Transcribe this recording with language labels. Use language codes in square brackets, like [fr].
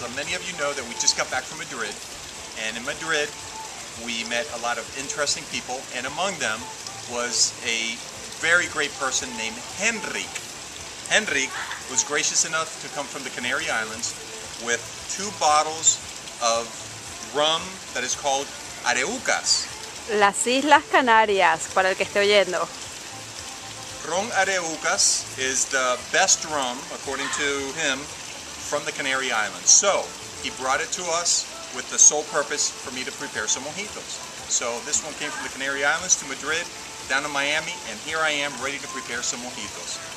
[en] So many of you know that we just got back from Madrid, and in Madrid we met a lot of interesting people, and among them was a very great person named Henrik. Henrik was gracious enough to come from the Canary Islands with two bottles of rum that is called Arehucas. [es] Las Islas Canarias, para el que esté oyendo. [en] Ron Arehucas is the best rum, according to him, from the Canary Islands. So, he brought it to us with the sole purpose for me to prepare some mojitos. So, this one came from the Canary Islands to Madrid, down to Miami, and here I am ready to prepare some mojitos.